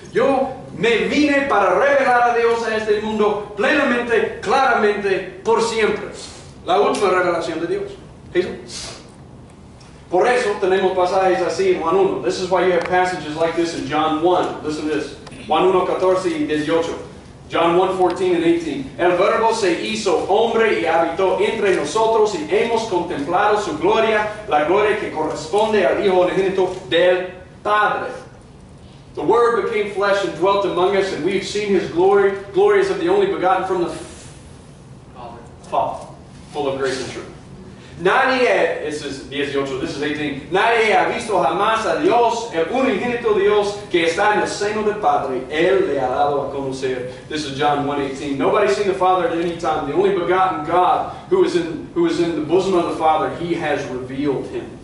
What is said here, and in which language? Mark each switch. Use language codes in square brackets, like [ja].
[es] Yo me vine para revelar a Dios a este mundo plenamente, claramente, por siempre. La última revelación de Dios. Jesús. Por eso tenemos pasajes así en Juan 1. [en] This is why you have passages like this in John 1. Listen to this. [es] Juan 1, 14 y 18. [en] John 1, 14 and 18. [es] El verbo se hizo hombre y habitó entre nosotros y hemos contemplado su gloria, la gloria que corresponde al Hijo unigénito del Padre. [en] The Word became flesh and dwelt among us, and we have seen his glory, glory as of the only begotten from the Father, full of grace and truth. [es] Nadie, [en] this is 18, this is 18. [es] Nadie ha visto jamás a Dios, el unigénito Dios, que está en el seno del Padre. Él le ha dado a conocer. [en] This is John 1:18. Nobody's seen the Father at any time. The only begotten God who is in the bosom of the Father, he has revealed him.